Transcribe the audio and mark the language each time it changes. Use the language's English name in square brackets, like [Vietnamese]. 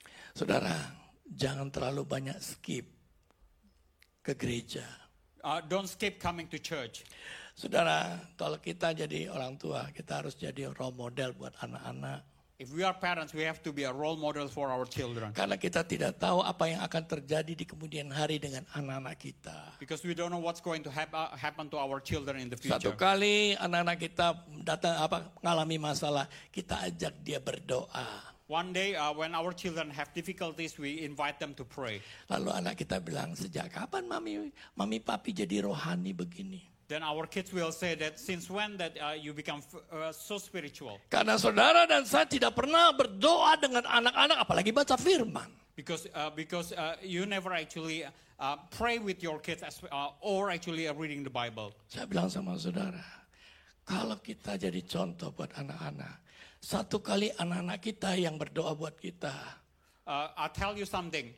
[Indonesian] Saudara, jangan terlalu banyak skip ke gereja. [English] Don't skip coming to church. [Indonesian] Saudara, kalau kita jadi orang tua, kita harus jadi role model buat anak-anak. [English] If we are parents, we have to be a role model for our children. [Indonesian] Karena kita tidak tahu apa yang akan terjadi di kemudian hari dengan anak-anak kita. [English] Because we don't know what's going to happen to our children in the future. [Indonesian] Satu kali anak-anak kita datang apa mengalami masalah, kita ajak dia berdoa. [English] One day when our children have difficulties, we invite them to pray. [Indonesian] Lalu anak kita bilang, sejak kapan mami papi jadi rohani begini? [English] Then our kids will say that since when that you become so spiritual. [Indonesian] Karena saudara dan saya tidak pernah berdoa dengan anak-anak, apalagi baca firman. [English] Because you never actually pray with your kids or actually reading the Bible. [Indonesian] Saya bilang sama saudara, kalau kita jadi contoh buat anak-anak, satu kali anak-anak kita yang berdoa buat kita. [English] I'll tell you something.